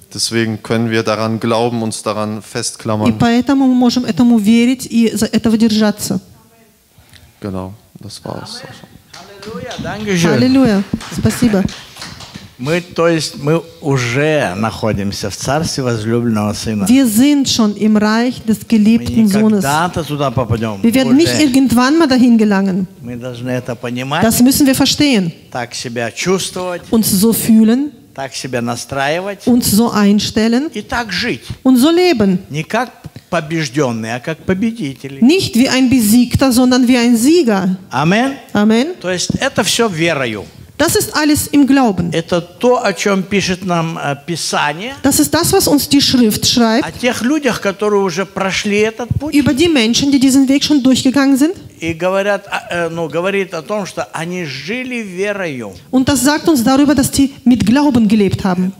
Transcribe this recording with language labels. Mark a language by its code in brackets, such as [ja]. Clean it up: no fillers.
[de] Deswegen können wir daran glauben, uns daran festklammern. [ru] И поэтому мы можем этому верить и за этого держаться. [de] Genau, das war's. Halleluja, danke schön. [ru] Halleluja, спасибо. Мы, то есть, мы уже находимся в царстве возлюбленного сына. [de] Wir sind schon im Reich des geliebten Sohnes. [ru] Мы никогда туда попадем. [de] Wir werden nicht irgendwann mal dahin gelangen. [ru] Мы должны это понимать. [de] Das müssen wir verstehen. [ru] Так себя чувствовать. [de] Uns so fühlen. [ru] Так себя настраивать. [de] Uns so einstellen. [ru] И так жить. [de] Und so leben. [ru] Не как побежденный, а как победитель. [de] Nicht wie ein Besiegter, sondern wie ein Sieger. Amen. Amen. [ru] То есть это все верою. [de] Das ist alles im Glauben. [ru] Это то, о чем пишет нам Писание. [de] Das ist das, was uns die Schrift schreibt. [ru] О тех людях, которые уже прошли этот путь. [de] Über die Menschen, die diesen Weg schon durchgegangen sind. [ru] И говорят, ну, говорит о том, что они жили верою. [de] Und das sagt uns darüber, dass die mit Glauben gelebt haben.